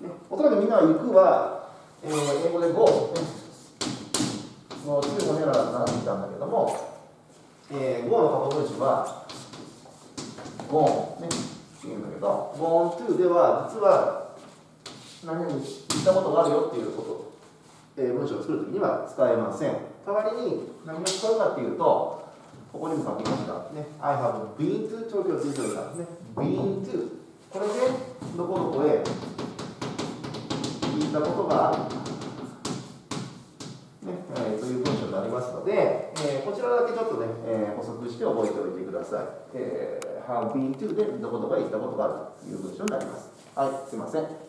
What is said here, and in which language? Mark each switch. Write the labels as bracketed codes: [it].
[ja] おそらくみんなは行くは、英語で go、15年ならなってきたんだけども、go の過去文章は gone、ね、っていうんだけど、gone to では実は何々行ったことがあるよっていうこと、文章を作るときには使えません。代わりに何を使うかっていうと、ここにも書きましたね。 [en] I have been to Tokyo Disneyland ね。 [ja] been to これでどこどこへ行ったことがあるね、という文章になりますので、こちらだけちょっとね、補足して覚えておいてください。 have been to でどこどこへ行ったことがあるという文章になります。はい、すいません。